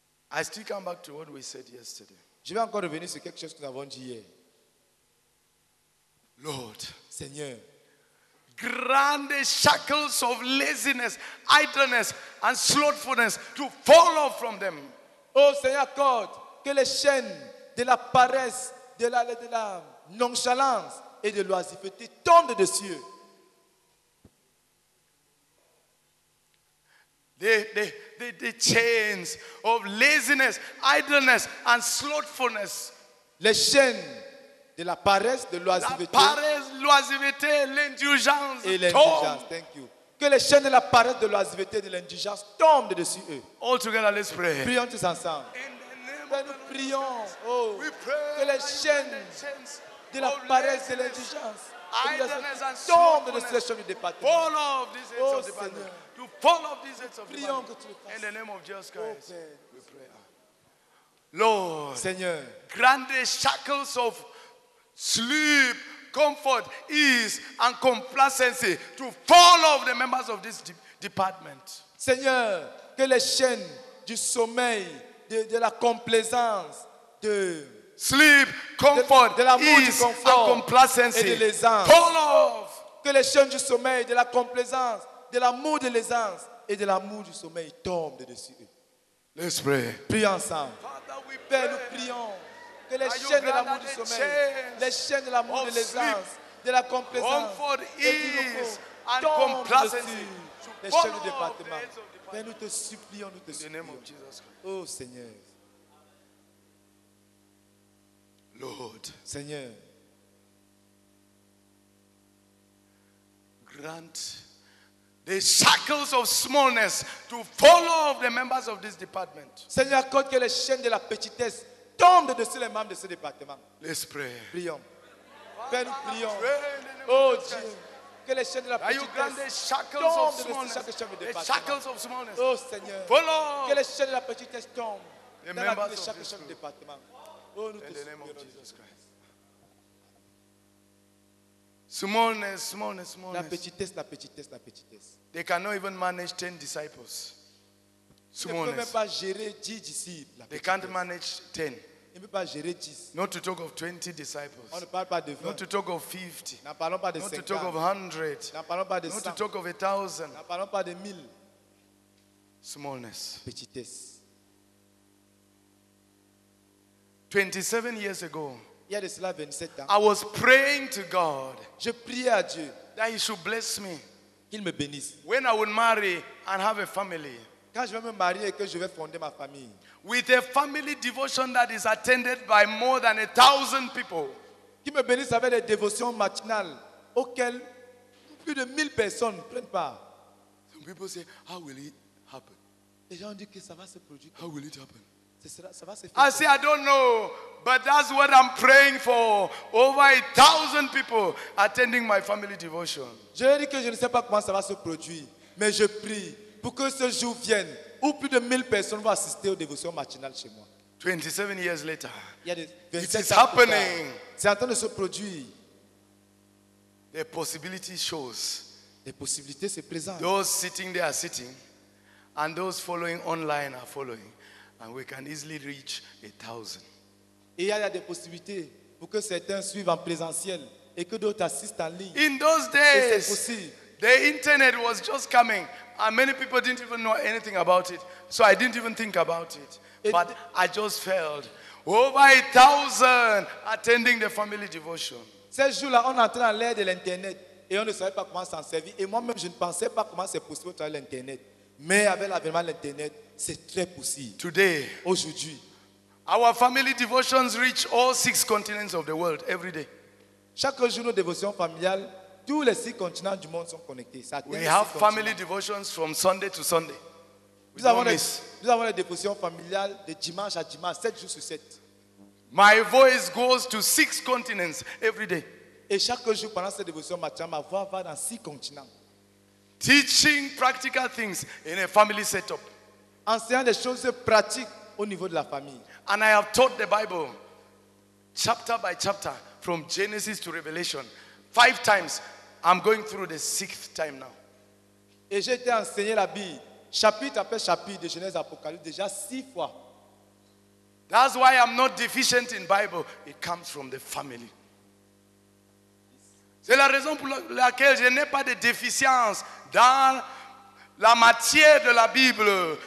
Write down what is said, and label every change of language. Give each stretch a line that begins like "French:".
English: I still come back to what we said yesterday.
French: Je vais encore revenir sur quelque chose que nous avons dit hier.
English: Lord,
French: Seigneur,
English: grant the shackles of laziness, idleness, and slothfulness to fall off from them.
French: Oh Seigneur, accorde que les chaînes de la paresse, de la nonchalance et de l'oisiveté tombent dessus.
English: The chains of laziness, idleness, and slothfulness.
French: Les chaînes de la paresse, de l'oisiveté. La paresse, l'oisiveté, l'indulgence. Et l'indulgence,
English: thank you.
French: Que les chaînes de la paresse, de l'oisiveté, de l'indulgence tombent de dessus eux.
English: All together, let's pray.
French: Prions tous ensemble. Nous prions. Oh, que les chaînes de la paresse, de l'indulgence. Tombe de cette chaîne du département.
English: Fall off these heads of the department. To fall off these heads of the department. In the name of Jesus Christ. Open. We pray. Lord,
French: Seigneur,
English: grant the shackles of sleep, comfort, ease, and complacency to fall off the members of this department.
French: Seigneur, que les chaînes du sommeil, de la complaisance, de
English: sleep, comfort,
French: de l'amour,
English: ease,
French: du confort,
English: and complacency,
French: et de l'aisance.
English: Fall off.
French: Que les chaînes du sommeil, de la complaisance, de l'amour, de l'aisance, et de l'amour du sommeil tombent de dessus eux.
English: Let's pray.
French: Prions ensemble.
English: Father, we pray.
French: Père, nous prions. Que les chaînes de l'amour du sommeil, les chaînes de l'amour, de l'aisance, de la complaisance,
English: comfort, ease, and complacency,
French: les chaînes du département. Père, nous te supplions, nous te supplions.
English: In the name of Jesus Christ.
French: Oh Seigneur.
English: Lord,
French: Seigneur,
English: grant the shackles of smallness to fall off the members of this department.
French: Seigneur, accorde que les chaînes de la petitesse tombent dessus les membres de ce département.
English: Let's pray.
French: Prions. Père, nous prions. Oh Dieu, que les chaînes de la petitesse tombent dessus chaque chaîne du département.
English: The shackles of smallness.
French: Oh Seigneur, que les chaînes de la petitesse tombent dans la vie de chaque chaîne du département.
English: Oh, in the name of Jesus Christ. Smallness, smallness, smallness.
French: La petitesse, la petitesse, la petitesse.
English: They cannot even manage 10 disciples. Smallness.
French: Ils ne peuvent pas gérer 10 disciples.
English: They can't manage 10.
French: Ils ne peuvent pas gérer 10.
English: Not to talk of 20 disciples.
French: On ne parle pas de 20.
English: Not to talk of 50.
French: N'en parlons pas de 50.
English: Not to talk of 100.
French: N'en parlons pas de 100.
English: Not to talk of 1,000.
French: N'en parlons pas de 1,000.
English: Smallness.
French: Petitesse.
English: 27 years ago,
French: il y a de cela 27 ans,
English: I was praying to God,
French: je priais à Dieu,
English: that He should bless me,
French: qu'il me bénisse,
English: when I would marry and have a family,
French: quand je vais me marier et que je vais fonder ma famille,
English: with a family devotion that is attended by more than 1,000 people,
French: qui me bénisse avec des dévotions matinales auxquelles plus de 1,000 personnes prennent part.
English: Some people say, how will it happen?
French: Les gens disent que ça va se produire.
English: How will it happen? I say, I don't know, but that's what I'm praying for. Over 1,000 people attending my family devotion.
French: Je dis que je ne sais pas comment ça va se produire, mais je prie pour que ce jour vienne où plus de 1,000 personnes vont assister aux dévotions matinales chez moi.
English: 27 years later, it is happening.
French: C'est en train de se produire.
English: The possibility shows.
French: Les possibilités se présentent.
English: Those sitting there are sitting, and those following online are following. And we can easily reach 1,000.
French: Et il y a des possibilités pour que certains suivent en présentiel et que d'autres assistent en ligne.
English: In those days,
French: c'est possible.
English: The internet was just coming, and many people didn't even know anything about it. So I didn't even think about it. But I just felt over 1,000 attending the family devotion.
French: Ces jours-là, on entrait dans l'ère de l'internet et on ne savait pas comment s'en servir. Et moi-même, je ne pensais pas comment c'est possible d'avoir l'internet. Mais avec l'avènement de l'internet, c'est très possible.
English: Today,
French: aujourd'hui,
English: our family devotions reach all 6 continents of the world every day.
French: Chaque jour, nos dévotions familiales, tous les 6 continents du monde sont connectés.
English: We have family devotions from Sunday to Sunday.
French: Nous avons les dévotions familiales de dimanche à dimanche, 7 jours sur 7.
English: My voice goes to 6 continents every day.
French: Et chaque jour, pendant cette dévotion matinale, ma voix va dans 6 continents.
English: Teaching practical things in a family setup.
French: Enseignant des choses pratiques au niveau de la famille.
English: And I have taught the Bible chapter by chapter from Genesis to Revelation 5 times. I'm going through the 6th time now.
French: Et j'ai été enseigné la Bible chapitre après chapitre de Genèse Apocalypse déjà six fois.
English: That's why I'm not deficient in Bible. It comes from the family.
French: C'est la raison pour laquelle je n'ai pas de déficience dans la matière de la Bible.